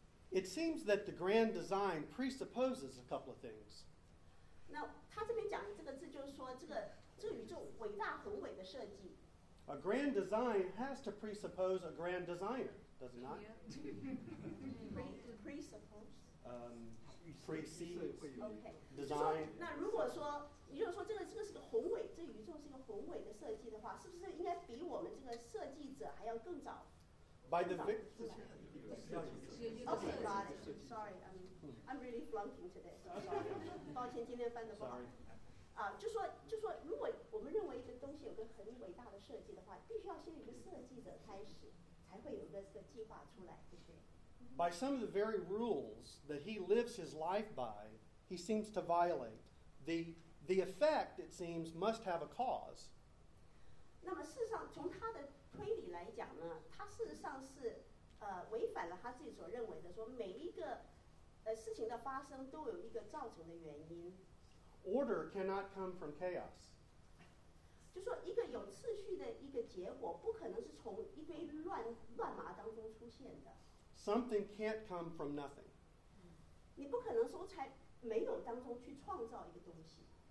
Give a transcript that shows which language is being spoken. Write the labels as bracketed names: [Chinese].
[English] It seems that the grand design presupposes a couple of things。 [Chinese] 那他这边讲的这个字就是说这个宇宙伟大宏伟的设计。 [English] A grand design has to presuppose a grand designer, does it not? Presuppose. Okay. Design. [Chinese] 那如果说你就说这个是个宏伟，这宇宙是一个宏伟的设计的话，是不是应该比我们这个设计者还要更早？ [English] By the victory. Okay, got it. Sorry, I'm really flunking today. Sorry. [Chinese] 抱歉，今天翻的不好。 [English] Sorry. [Chinese] 就说如果我们认为一个东西有个很伟大的设计的话，必须要先有个设计者开始，才会有一个这个计划出来，对不对？ [English] By some of the very rules that he lives his life by, he seems to violate. The effect, it seems, must have a cause. [Chinese] 那么事实上从他的推理来讲呢，他事实上是违反了他自己所认为的，说每一个事情的发生都有一个造成的原因。 [English] Order cannot come from chaos. [Chinese] 就说一个有秩序的一个结果，不可能是从一堆乱麻当中出现的。 [English] Something can't come from nothing. [Chinese] 你不可能说才没有当中去创造一个东西。